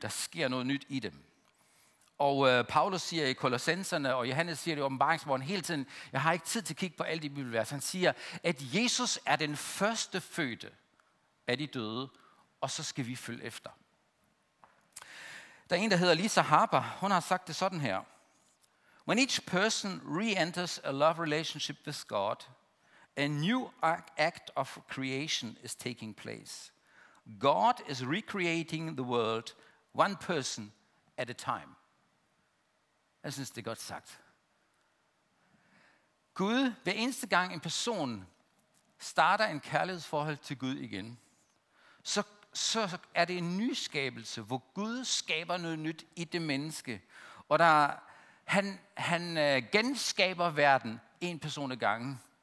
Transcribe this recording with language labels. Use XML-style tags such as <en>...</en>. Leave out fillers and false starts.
<da>Der sker noget nyt i dem. Og Paulus siger i Kolossenserne, og Johannes siger det i Åbenbaringsbogen hele tiden, jeg har ikke tid til at kigge på alle de bibelvers. Han siger, at Jesus er den første fødte af de døde, og så skal vi følge efter. Der er en, der hedder Lisa Harper. Hun har sagt det sådan her.</da> <en>When each person re-enters a love relationship with God, a new act of creation is taking place. God is recreating the world one person at a time.</en> <da>Jeg synes, det er godt sagt. Gud, hver eneste gang en person starter en kærlighedsforhold til Gud igen, så er det en nyskabelse, hvor Gud skaber noget nyt i det menneske. Og der han genskaber verden en person ad gangen.</da>